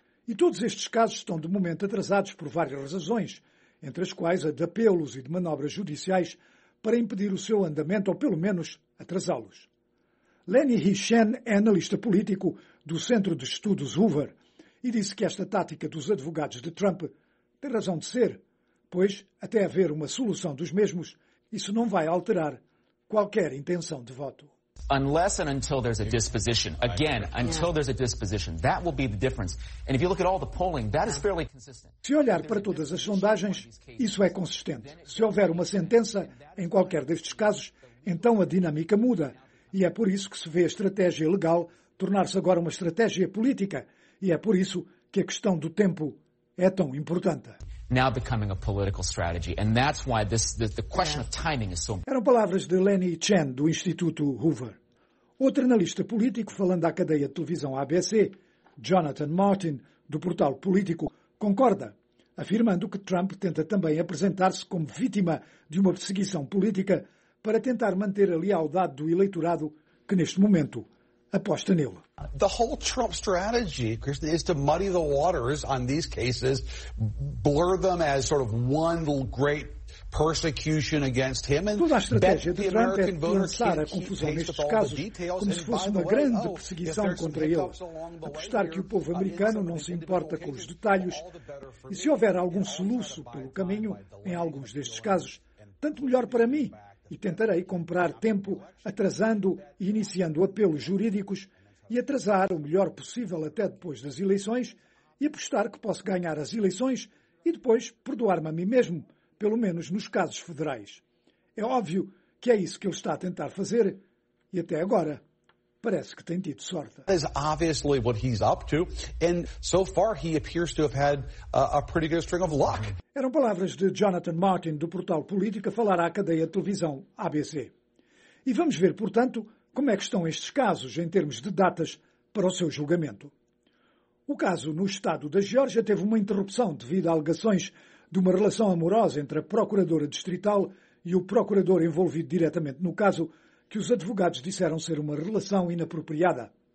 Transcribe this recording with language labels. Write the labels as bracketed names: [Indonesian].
[Portuguese] E todos estes casos estão de momento atrasados por várias razões, entre as quais a de apelos e de manobras judiciais para impedir o seu andamento ou, pelo menos, atrasá-los. Lenny Hishen é analista político do Centro de Estudos Hoover e disse que esta tática dos advogados de Trump tem razão de ser, pois, até haver uma solução dos mesmos, isso não vai alterar qualquer intenção de voto. [English] Unless and until there's a disposition, again, until there's a disposition, that will be the difference. And if you look at all the polling, that is fairly consistent. [Portuguese] Se olhar para todas as sondagens, isso é consistente. Se houver uma sentença em qualquer destes casos, então a dinâmica muda. E é por isso que se vê a estratégia legal tornar-se agora uma estratégia política. E é por isso que a questão do tempo é tão importante. [English] Now becoming a political strategy, and that's why the question of timing is so. [Portuguese] Eram palavras de Lenny Chen, do Instituto Hoover. Outro analista político, falando à cadeia de televisão ABC, Jonathan Martin, do portal Político, concorda, afirmando que Trump tenta também apresentar-se como vítima de uma perseguição política para tentar manter a lealdade do eleitorado que neste momento aposta nele. [English] The whole Trump strategy, Christian, is to muddy the waters on these cases, blur them as sort of one great persecution against him, and [Portuguese] toda a estratégia de Trump é lançar a confusão nestes casos como se fosse uma grande perseguição contra ele, apostar que o povo americano não se importa com os detalhes, e se houver algum soluço pelo caminho em alguns destes casos, tanto melhor para mim, e tentarei comprar tempo atrasando e iniciando apelos jurídicos e atrasar o melhor possível até depois das eleições e apostar que posso ganhar as eleições e depois perdoar-me a mim mesmo, pelo menos nos casos federais. É óbvio que é isso que ele está a tentar fazer e até agora parece que tem tido sorte. [English] That is obviously what he's up to, and so far he appears to have had a pretty good string of luck. [Portuguese] Eram palavras de Jonathan Martin do portal Política falar à cadeia de televisão ABC. E vamos ver, portanto, como é que estão estes casos em termos de datas para o seu julgamento. O caso no estado da Geórgia teve uma interrupção devido a alegações de uma relação amorosa entre a procuradora distrital e o procurador envolvido diretamente no caso, que os advogados disseram ser uma relação inapropriada.